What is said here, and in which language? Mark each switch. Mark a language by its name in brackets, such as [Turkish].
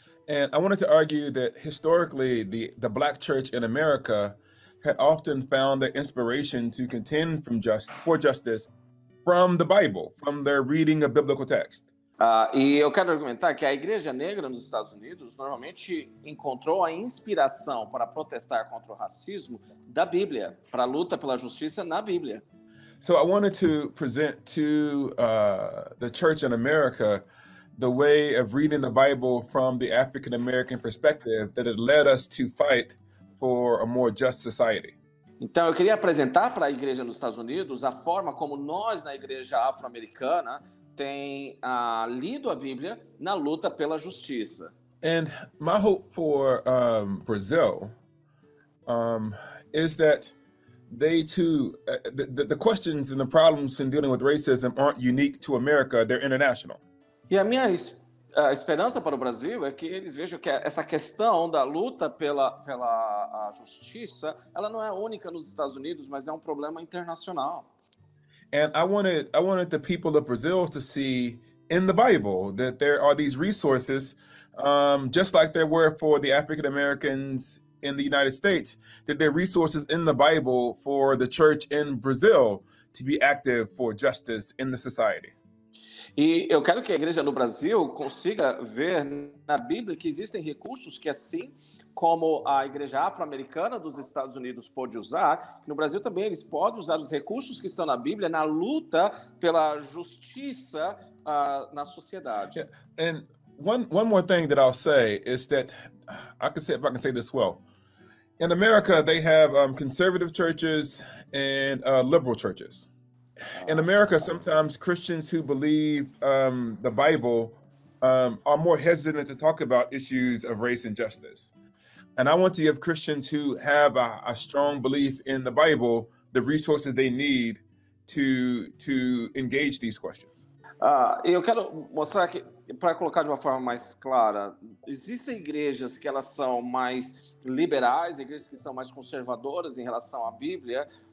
[English] And I wanted to argue that historically the Black Church in America had often found the inspiration to contend for justice from the Bible, from their reading of biblical text. [Portuguese] E eu quero argumentar que a Igreja Negra nos Estados Unidos normalmente encontrou a inspiração para protestar contra o racismo da Bíblia, para a luta pela justiça na Bíblia. [English] So I wanted to present to the church in America the way of reading the Bible from the African American perspective that it led us to fight for a more just society. [Portuguese] Então eu queria apresentar para a Igreja nos Estados Unidos a forma como nós na Igreja Afro-Americana tem lido a Bíblia na luta pela justiça. [English] And my hope for Brazil is that they too, the questions and the problems in dealing with racism aren't unique to America, they're international. [Portuguese] E a minha esperança para o Brasil é que eles vejam que essa questão da luta pela justiça, ela não é única nos Estados Unidos, mas é um problema internacional. [English] And I wanted the people of Brazil to see in the Bible that there are these resources, just like there were for the African Americans in the United States, that there are resources in the Bible for the church in Brazil to be active for justice in the society. [Portuguese] E eu quero que a igreja no Brasil consiga ver na Bíblia que existem recursos que, assim como a igreja afro-americana dos Estados Unidos pode usar, no Brasil também eles podem usar os recursos que estão na Bíblia na luta pela justiça na sociedade. [English] Yeah. And one more thing that I'll say is that I can say this well. In America, they have conservative churches and liberal churches. In America, sometimes Christians who believe the Bible are more hesitant to talk about issues of race and justice. And I want to give Christians who have a strong belief in the Bible the resources they need to engage these questions. [Portuguese] Eu quero mostrar que, para colocar de uma forma mais clara, existem igrejas que elas são mais liberais, igrejas que são mais conservadoras em relação à Bíblia,